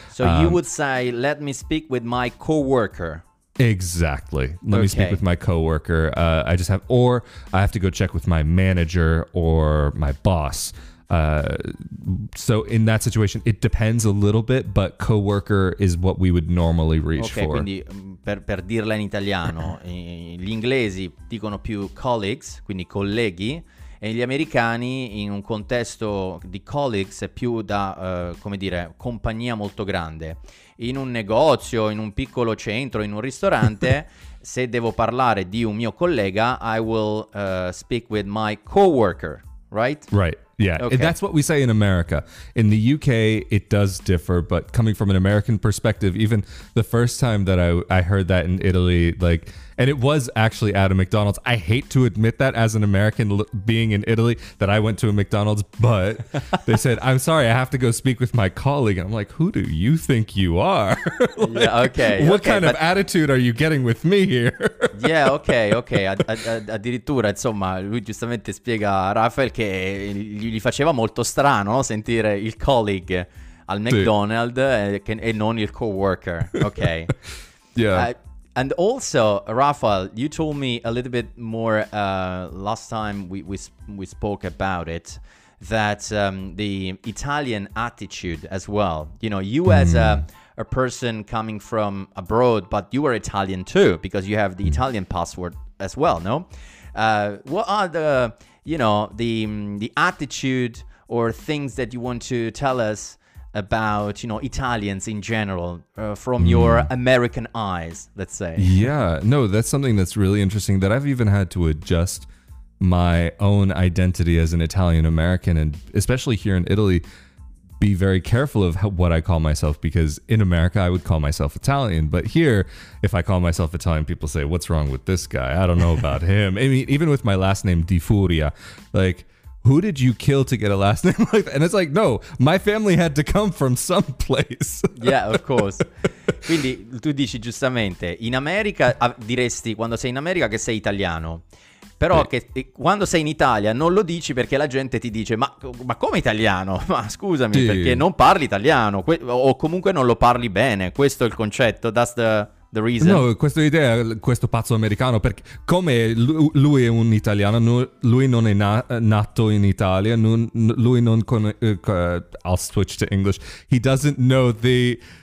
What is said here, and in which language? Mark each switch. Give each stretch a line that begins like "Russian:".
English: So you would say, let me speak with my coworker. Exactly. Let me speak with my coworker. I just have, or I have to go check with my manager or my boss. So in that situation, it depends a little bit, but coworker is what we would normally reach for.
Italian: Quindi per dirla in italiano, gli inglesi dicono più colleagues, quindi colleghi, e gli americani in un contesto di colleagues è più da come dire compagnia molto grande. In un negozio, in un piccolo centro, in un ristorante, se devo parlare di un mio collega,
English: I will speak with my coworker, right?
Italian: Right, yeah. Okay.
English: And that's what we say in America. In the UK, it does differ, but coming from an American perspective, even the first time that I heard that in Italy, like, and it was actually at a McDonald's. I hate to admit that as an American being in Italy, that I went to a McDonald's, but they said, I'm sorry, I have to go speak with my colleague. And I'm like, who do you think you are? Like, yeah, okay. What kind of attitude are you getting with me here? Yeah, okay.
Italian: Addirittura, insomma, lui giustamente spiega a Rafael che gli faceva molto strano sentire il colleague al McDonald's e non il co-worker.
English: Okay. Yeah. And also, Rafael, you told me a little bit more last time we spoke about it, that the Italian attitude as well. You know, you as a person coming from abroad, but you are Italian too, because you have the Italian passport as well, no? What are the, you know, the attitude or things that you want to tell us about, you know, Italians in general, from your American eyes, let's say? Yeah, no, that's something that's really interesting that I've even had to adjust my own identity as an Italian American, and especially here in Italy, be very careful of what I call myself, because in America I would call myself Italian, but here if I call myself Italian, people say, what's wrong with this guy? I don't know about him. I mean, even with my last name Di Furia, like, who did you kill to get a last name like that? And it's like, no, my family had to come from some place. Yeah, of course.
Italian: Quindi tu dici giustamente, in America diresti, quando sei in America, che sei italiano. però che quando sei in Italia non lo dici perché la gente ti dice ma come italiano? Ma scusami, sì, perché non parli italiano o comunque non lo parli bene, questo è il concetto,
English: that's the reason.
Italian: No, questa idea, questo pazzo americano, perché come lui è un italiano, lui non è nato in Italia, lui non conosce,
English: I'll switch to English, he doesn't know the